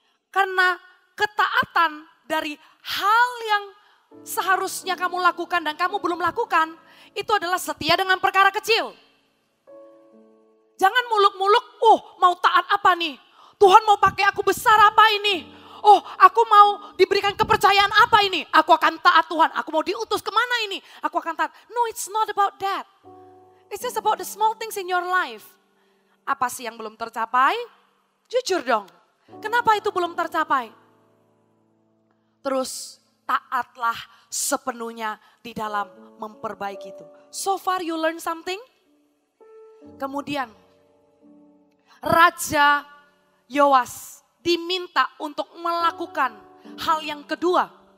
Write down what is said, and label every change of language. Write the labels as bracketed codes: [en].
[id] Karena ketaatan dari hal yang seharusnya kamu lakukan dan kamu belum lakukan, itu adalah setia dengan perkara kecil. Jangan muluk-muluk, oh mau taat apa nih? Tuhan mau pakai aku besar apa ini? Oh aku mau diberikan kepercayaan apa ini? Aku akan taat Tuhan, aku mau diutus kemana ini? Aku akan taat. [en] No, it's not about that. It's just about the small things in your life. [id] Apa sih yang belum tercapai? Jujur dong. Kenapa itu belum tercapai? Terus taatlah sepenuhnya di dalam memperbaiki itu. [en] So far you learn something? [id] Kemudian Raja Yoas diminta untuk melakukan hal yang kedua.